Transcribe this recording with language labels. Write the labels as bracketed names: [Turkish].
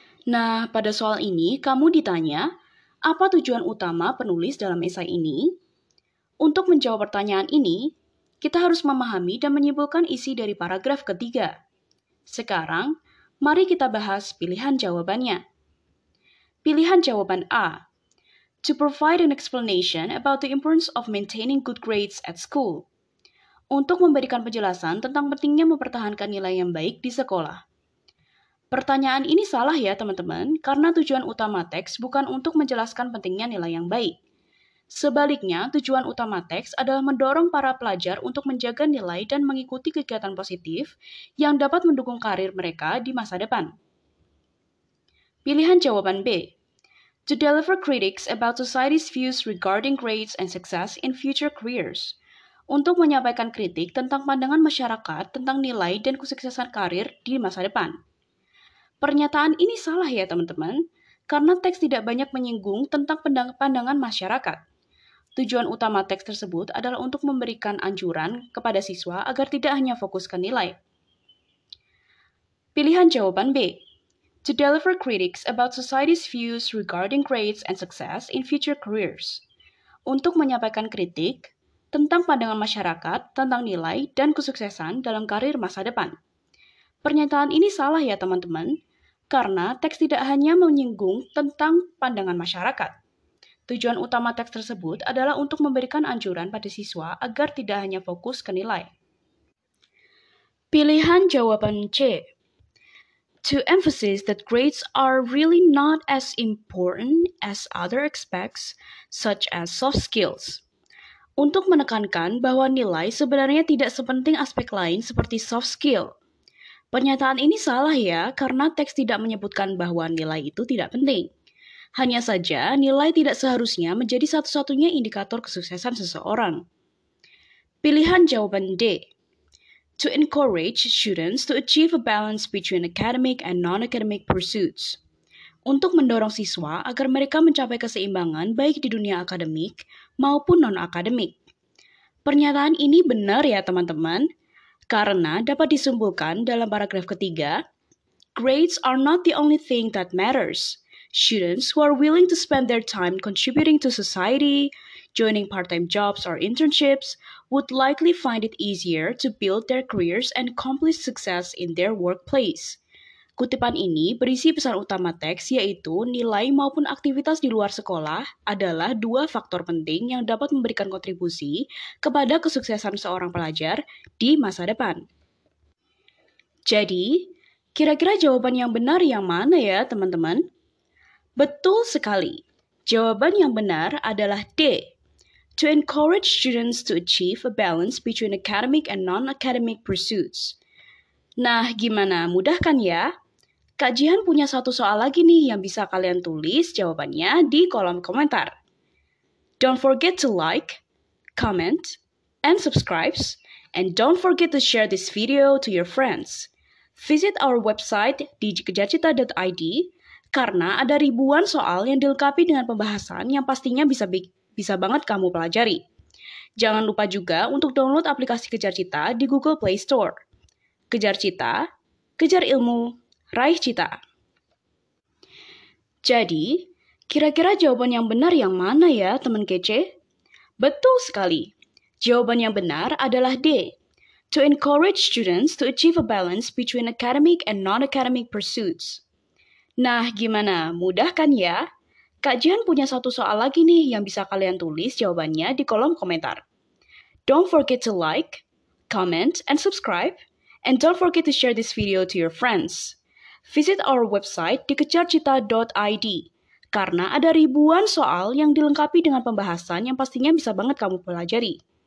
[Indonesian] Nah, pada soal ini, kamu ditanya, apa tujuan utama penulis dalam esai ini? Untuk menjawab pertanyaan ini, kita harus memahami dan menyimpulkan isi dari paragraf ketiga. Sekarang, mari kita bahas pilihan jawabannya. Pilihan jawaban A. [English] To provide an explanation about the importance of maintaining good grades at school. [Indonesian] Untuk memberikan penjelasan tentang pentingnya mempertahankan nilai yang baik di sekolah. Pertanyaan ini salah ya, teman-teman, karena tujuan utama teks bukan untuk menjelaskan pentingnya nilai yang baik. Sebaliknya, tujuan utama teks adalah mendorong para pelajar untuk menjaga nilai dan mengikuti kegiatan positif yang dapat mendukung karir mereka di masa depan. Pilihan jawaban B. [English] To deliver critics about society's views regarding grades and success in future careers. [Indonesian] Untuk menyampaikan kritik tentang pandangan masyarakat tentang nilai dan kesuksesan karir di masa depan. Pernyataan ini salah ya teman-teman, karena teks tidak banyak menyinggung tentang pandangan masyarakat. Tujuan utama teks tersebut adalah untuk memberikan anjuran kepada siswa agar tidak hanya fokus ke nilai. Pilihan jawaban B. [English] To deliver critics about society's views regarding grades and success in future careers. [Indonesian] Untuk menyampaikan kritik tentang pandangan masyarakat tentang nilai dan kesuksesan dalam karir masa depan. Pernyataan ini salah ya teman-teman, karena teks tidak hanya menyinggung tentang pandangan masyarakat. Tujuan utama teks tersebut adalah untuk memberikan anjuran pada siswa agar tidak hanya fokus ke nilai. Pilihan jawaban C. [English] To emphasize that grades are really not as important as other aspects, such as soft skills. [Indonesian] Untuk menekankan bahwa nilai sebenarnya tidak sepenting aspek lain seperti soft skill. Pernyataan ini salah ya, karena teks tidak menyebutkan bahwa nilai itu tidak penting. Hanya saja, nilai tidak seharusnya menjadi satu-satunya indikator kesuksesan seseorang. Pilihan jawaban D. [English] To encourage students to achieve a balance between academic and non-academic pursuits. [Indonesian] Untuk mendorong siswa agar mereka mencapai keseimbangan baik di dunia akademik maupun non-akademik. Pernyataan ini benar ya teman-teman, karena dapat disimpulkan dalam paragraf ketiga, [English] grades are not the only thing that matters. Students who are willing to spend their time contributing to society, joining part-time jobs or internships, would likely find it easier to build their careers and accomplish success in their workplace. [Indonesian] Kutipan ini berisi pesan utama teks, yaitu nilai maupun aktivitas di luar sekolah adalah dua faktor penting yang dapat memberikan kontribusi kepada kesuksesan seorang pelajar di masa depan. Jadi, kira-kira jawaban yang benar yang mana ya, teman-teman? Betul sekali. Jawaban yang benar adalah D. [English] To encourage students to achieve a balance between academic and non-academic pursuits. [Indonesian] Nah, gimana? Mudah kan ya? Kak Jihan punya satu soal lagi nih yang bisa kalian tulis jawabannya di kolom komentar. [English] Don't forget to like, comment, and subscribe, and don't forget to share this video to your friends. Visit our website [Indonesian] di kejarcita.id, karena ada ribuan soal yang dilengkapi dengan pembahasan yang pastinya bisa banget kamu pelajari. Jangan lupa juga untuk download aplikasi Kejar Cita di Google Play Store. Kejar Cita, kejar ilmu, raih cita. Jadi, kira-kira jawaban yang benar yang mana ya, teman kece? Betul sekali. Jawaban yang benar adalah D. [English] To encourage students to achieve a balance between academic and non-academic pursuits. [Indonesian] Nah, gimana? Mudah kan ya? Kak Jihan punya satu soal lagi nih yang bisa kalian tulis jawabannya di kolom komentar. [English] Don't forget to like, comment, and subscribe, and don't forget to share this video to your friends. Visit our website [Indonesian] di kejarcita.id, karena ada ribuan soal yang dilengkapi dengan pembahasan yang pastinya bisa banget kamu pelajari.